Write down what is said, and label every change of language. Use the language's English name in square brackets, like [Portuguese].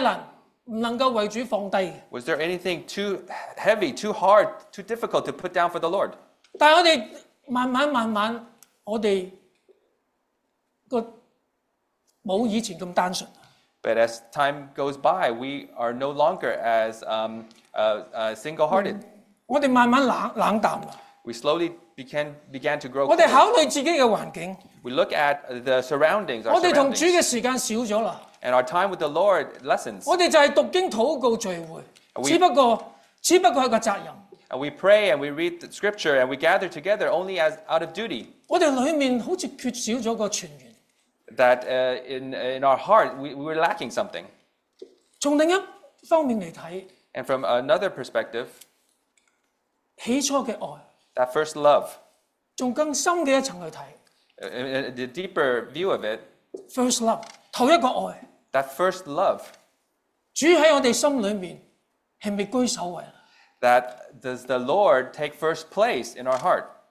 [Chinese] 没什么是太难不能够为主放低, [English] was there anything too heavy, too hard, too difficult to put down for the Lord? [Chinese] 但我们慢慢慢慢, 我们没有以前那么单纯, [English] but as time goes by, we are no longer as single-hearted. [Chinese] 我们慢慢冷淡, [English] we slowly began to grow cold. [Chinese] 我们考虑自己的环境, [English] we look at the surroundings, our surroundings. [Chinese] 我们和主的时间少了, [English] and our time with the Lord lessens. [Chinese] 我们就是读经祷告聚会, [English] we [Chinese] 只不过是个责任, [English] and we pray and we read the scripture and we gather together only as out of duty. [Chinese] 我们里面好像缺少了个全员, [English] that in our heart we're lacking something. [Chinese] 从另一方面来看, [English] and from another perspective, [Chinese] 起初的爱, [English] that first love, [Chinese] 从更深的一层来看, [English] the deeper view of it, first love, [Chinese] 头一个爱, [English] that first love, [Chinese] 主在我们心里面, 是不是居首位, [English] that does the Lord take first place in our heart?